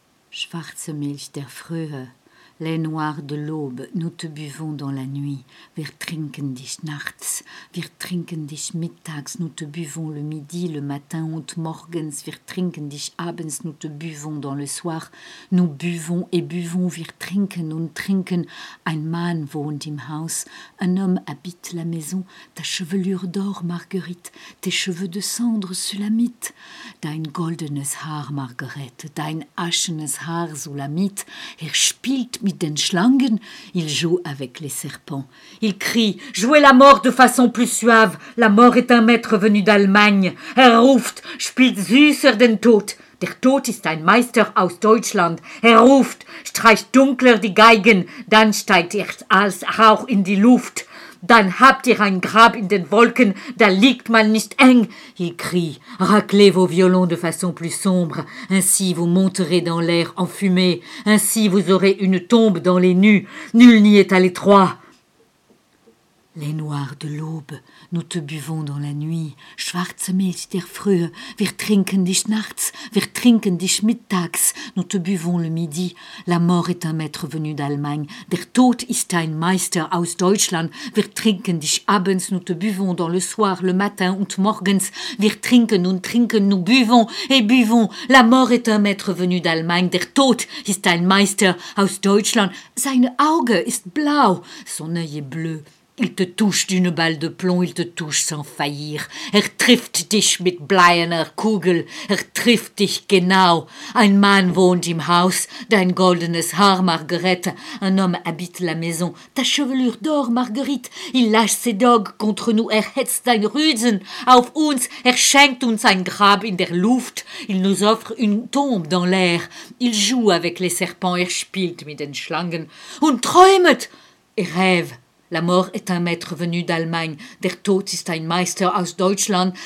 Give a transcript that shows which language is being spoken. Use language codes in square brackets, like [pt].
[de] Schwarze Milch der Frühe, [fr] Lait noir de l'aube, nous te buvons dans la nuit. [de] Wir trinken dich nachts, wir trinken dich mittags, [fr] nous te buvons le midi, le matin [de] und morgens. Wir trinken dich abends, [fr] nous te buvons dans le soir. Nous buvons et buvons, [de] wir trinken und trinken. Ein Mann wohnt im Haus, [fr] un homme habite la maison. Ta chevelure d'or, Marguerite, tes cheveux de cendre, Sulamite. [de] Dein goldenes Haar, Marguerite, dein aschenes Haar, Sulamite. Er spielt mit den Schlangen, [fr] il joue avec les serpents. Il crie, jouez la mort de façon plus suave. La mort est un maître venu d'Allemagne. [de] Er ruft, spielt süßer den Tod. Der Tod ist ein Meister aus Deutschland. Er ruft, streicht dunkler die Geigen. Dann steigt er als Rauch in die Luft. Dann habt ihr ein Grab in den Wolken, da liegt man nicht eng. [fr] Il crie, raclez vos violons de façon plus sombre. Ainsi vous monterez dans l'air enfumé. Ainsi vous aurez une tombe dans les nues. Nul n'y est à l'étroit. Les noirs de l'aube, nous te buvons dans la nuit. [de] Schwarze Milch der Frühe, wir trinken dich nachts, wir trinken dich mittags. [fr] Nous te buvons le midi. La mort est un maître venu d'Allemagne. [de] Der Tod ist ein Meister aus Deutschland. Wir trinken dich abends, [fr] nous te buvons dans le soir, le matin [de] und morgens. Wir trinken und trinken, [fr] nous buvons et buvons. La mort est un maître venu d'Allemagne. [de] Der Tod ist ein Meister aus Deutschland. Sein Auge ist blau, [fr] son œil est bleu. Il te touche d'une balle de plomb, il te touche sans faillir. [de] Er trifft dich mit bleierner Kugel, er trifft dich genau. Ein Mann wohnt im Haus, dein goldenes Haar, Marguerite. [fr] Un homme habite la maison, ta chevelure d'or, Marguerite. Il lâche ses dogs contre nous, [de] er hetzt sein Rüsen auf uns. Er schenkt uns ein Grab in der Luft, [fr] il nous offre une tombe dans l'air. Il joue avec les serpents, [de] er spielt mit den Schlangen. Und träumet, [fr] er rêve. La mort est un maître venu d'Allemagne. [de] Der Tod ist ein Meister aus Deutschland.